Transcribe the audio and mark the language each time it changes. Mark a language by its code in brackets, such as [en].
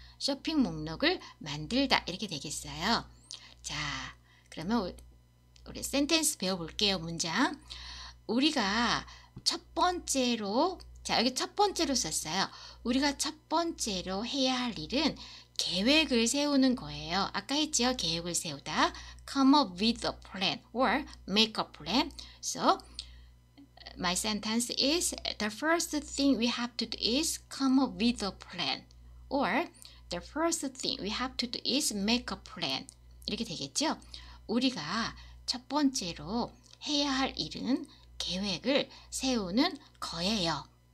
[ko] 쇼핑 목록을 만들다 이렇게 되겠어요. 자, 그러면 우리 sentence 배워볼게요. 문장. 우리가 첫 번째로, 자, 여기 첫 번째로 썼어요. 우리가 첫 번째로 해야 할 일은 계획을 세우는 거예요. 아까 했죠? 계획을 세우다. [en] Come up with a plan or make a plan. So, my sentence is the first thing we have to do is come up with a plan or the first thing we have to do is make a plan. [ko] 이렇게 되겠죠? 우리가 첫 번째로 해야 할 일은 계획을 세우는 거예요.